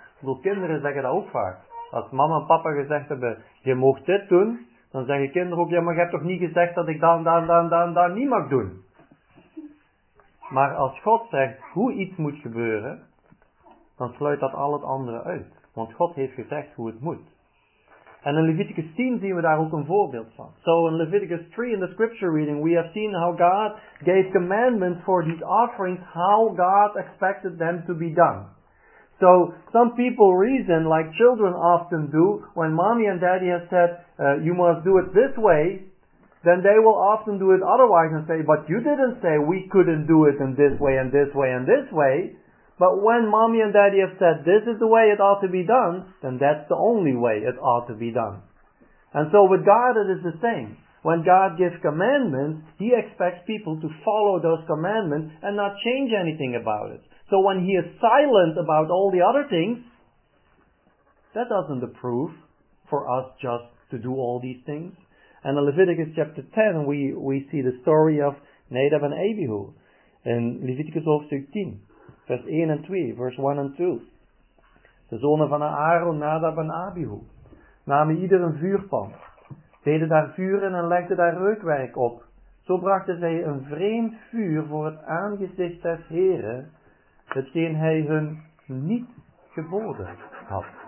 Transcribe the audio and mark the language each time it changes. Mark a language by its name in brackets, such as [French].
[Dutch] Ik bedoel, kinderen zeggen dat ook vaak. Als mama en papa gezegd hebben, je mag dit doen, dan zeggen kinderen ook, ja, maar je hebt toch niet gezegd dat ik dan niet mag doen. Maar als God zegt hoe iets moet gebeuren, dan sluit dat al het andere uit. Want God heeft gezegd hoe het moet. En in Leviticus 10 zien we daar ook een voorbeeld van. [English] So in Leviticus 3 in the scripture reading we have seen how God gave commandments for these offerings, how God expected them to be done. So some people reason, like children often do, when mommy and daddy have said, you must do it this way, then they will often do it otherwise and say, but you didn't say we couldn't do it in this way and this way and this way. But when mommy and daddy have said this is the way it ought to be done, then that's the only way it ought to be done. And so with God it is the same. When God gives commandments, he expects people to follow those commandments and not change anything about it. So when he is silent about all the other things, that doesn't approve for us just to do all these things. And in Leviticus chapter 10, we see the story of Nadab and Abihu in Leviticus 10. [Dutch] Vers 1 en 2, vers 1 en 2. De zonen van Aaron, Nadab en Abihu, namen ieder een vuurpan, deden daar vuren en legden daar reukwerk op. Zo brachten zij een vreemd vuur voor het aangezicht des Heren, hetgeen hij hun niet geboden had.